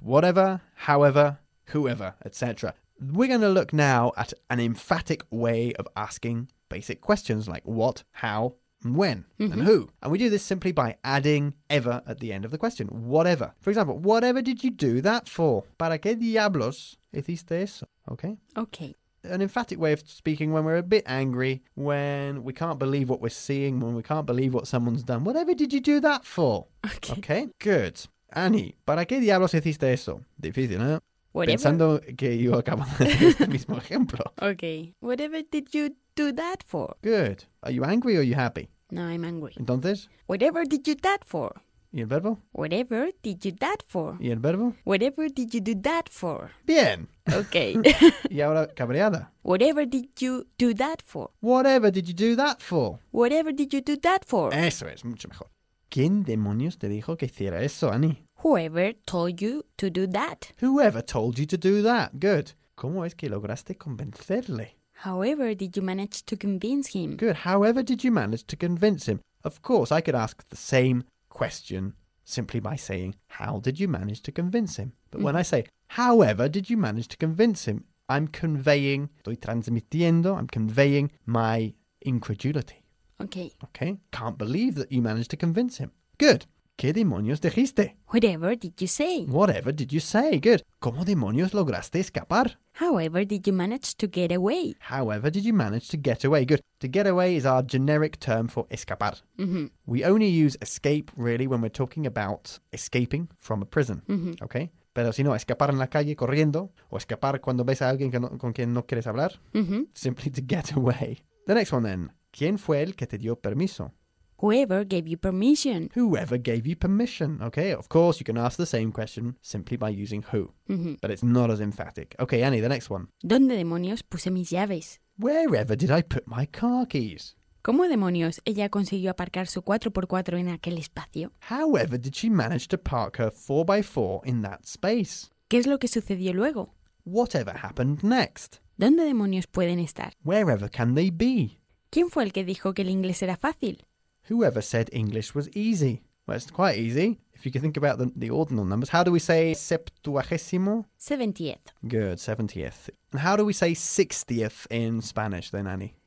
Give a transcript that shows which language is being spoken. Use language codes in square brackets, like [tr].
[en] Whatever, however, whoever, etc. We're going to look now at an emphatic way of asking basic questions like what, how, when, mm-hmm. and who. And we do this simply by adding ever at the end of the question. Whatever. For example, whatever did you do that for? [es] ¿Para qué diablos hiciste eso? [en] Okay. Okay. An emphatic way of speaking when we're a bit angry, when we can't believe what we're seeing, when we can't believe what someone's done. Whatever did you do that for? Okay. Okay. Good. [es] Annie, ¿para qué diablos hiciste eso? Difícil, ¿eh? [en] Whatever. [es] Pensando que yo acabo de hacer este mismo ejemplo. [en] Okay. Whatever did you do that for? Good. Are you angry or are you happy? No, I'm angry. [es] Entonces? [en] Whatever did you do that for? [es] ¿Y el verbo? [en] Whatever did you do that for? [es] ¿Y el verbo? [en] Whatever did you do that for? [es] Bien. [en] Okay. [es] ¿Y ahora cabreada? [en] Whatever did you do that for? Whatever did you do that for? Whatever did you do that for? [es] Eso es, mucho mejor. ¿Quién demonios te dijo que hiciera eso, Annie? [en] Whoever told you to do that. Whoever told you to do that. Good. [es] ¿Cómo es que lograste convencerle? [en] However did you manage to convince him? Good. However did you manage to convince him? Of course, I could ask the same question simply by saying, how did you manage to convince him? But when I say, however did you manage to convince him, I'm conveying, [es] estoy transmitiendo, [en] I'm conveying my incredulity. Okay. Okay. Can't believe that you managed to convince him. Good. [es] ¿Qué demonios dijiste? [en] Whatever did you say? Whatever did you say? Good. [es] ¿Cómo demonios lograste escapar? [en] However did you manage to get away? However did you manage to get away? Good. To get away is our generic term for escapar. Mm-hmm. We only use escape, really, when we're talking about escaping from a prison. Mm-hmm. Okay? [es] Pero si no, escapar en la calle corriendo, o escapar cuando ves a alguien con quien no quieres hablar, [en] simply to get away. The next one then. [es] ¿Quién fue el que te dio permiso? [en] Whoever gave you permission. Whoever gave you permission. Okay, of course, you can ask the same question simply by using who. Mm-hmm. But it's not as emphatic. Okay, Annie, the next one. [es] ¿Dónde demonios puse mis llaves? [en] Wherever did I put my car keys? [es] ¿Cómo demonios ella consiguió aparcar su 4x4 en aquel espacio? [en] However did she manage to park her 4x4 in that space? [es] ¿Qué es lo que sucedió luego? [en] Whatever happened next? [es] ¿Dónde demonios pueden estar? [en] Wherever can they be? [es] ¿Quién fue el que dijo que el inglés era fácil? [en] Whoever said English was easy? Well, it's quite easy. If you can think about the ordinal numbers, how do we say septuagésimo? 70th. Good, 70th. And how do we say 60th in Spanish then, Annie?